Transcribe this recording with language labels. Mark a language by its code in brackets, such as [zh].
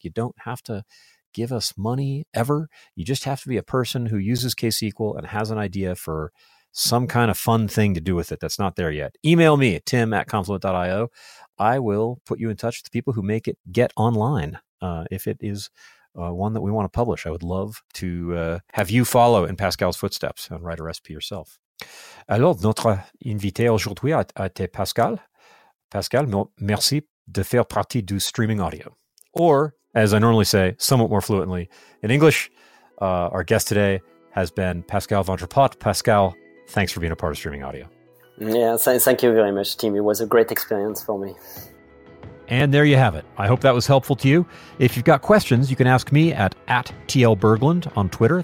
[en] You don't have to give us money ever. You just have to be a person who uses KSQL and has an idea for some kind of fun thing to do with it that's not there yet. Email me at tim@confluent.io. I will put you in touch with the people who make it get online. If it is one that we want to publish, I would love to have you follow in Pascal's footsteps and write a recipe yourself. [fr] Alors, notre invité aujourd'hui était Pascal. Pascal, merci de faire partie du streaming audio. [en] Or, as I normally say, somewhat more fluently in English, our guest today has been Pascal Vandrepot. Pascal, thanks for being a part of Streaming Audio. Thank you very much, Tim. It was a great experience for me. And there you have it. I hope that was helpful to you. If you've got questions, you can ask me at TLBerglund on Twitter.